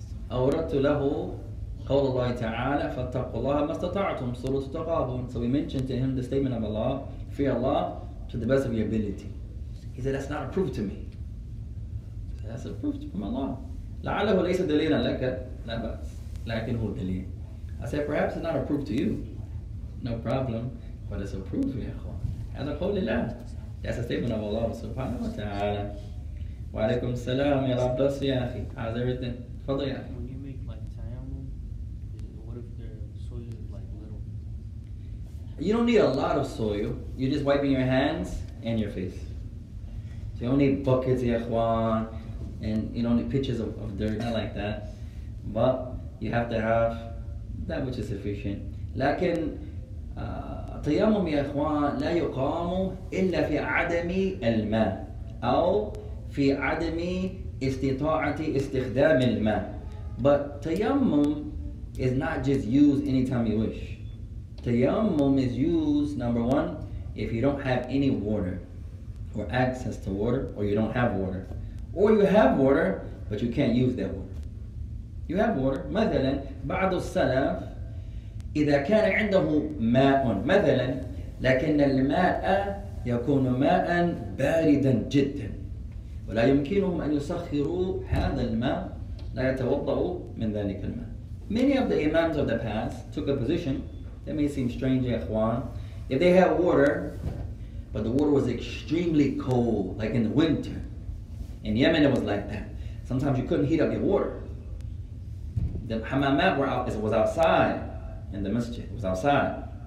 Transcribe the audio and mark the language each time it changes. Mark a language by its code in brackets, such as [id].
[ar] فأوردت له قول الله تعالى فاتقوا الله ما استطعتم صلاة تقابل. [en] So we mentioned to him the statement of Allah, fear Allah to the best of your ability. He said, that's not a proof to me. That's a proof from Allah. [ar] لعله ليس دليلا لك لا بأس لكن هو دليل. [en] I said, perhaps it's not a proof to you. No problem. But it's a proof, [ar] يا أخوان. هذا قول الله. [en] That's a statement of Allah [ar] سبحانه وتعالى. وعليكم السلام يا رب بس يا أخي. [en] How's everything? [ar] تفضل يا أخي. [en] When you make like tayammum, what if the soil is like little? You don't need a lot of soil. You're just wiping your hands and your face. So you don't need buckets, [ar] يا أخوان. [en] And you know, pitches of dirt, not like that. But you have to have that which is sufficient. [ar] لكن تيمم يا إخوان لا يقام إلا في عدم الماء أو في عدم استطاعة استخدام الماء. [en] But تيمم is not just used anytime you wish. تيمم is used, number one, if you don't have any water or access to water, or you don't have water. Or you have water, but you can't use that water. You have water. [ar] مثلا بعض السلف إذا كان عنده ماء مثلا لكن الماء يكون ماء باردا جدا ولا يمكنهم أن يسخروا هذا الماء لا يتوضأوا من ذلك الماء. [en] Many of the imams of the past took a position that may seem strange, [ar] إخوان. [en] If they had water, but the water was extremely cold, like in the winter. In Yemen, it was like that. Sometimes you couldn't heat up your water. The hamamat were out, it was outside in the masjid. It was outside.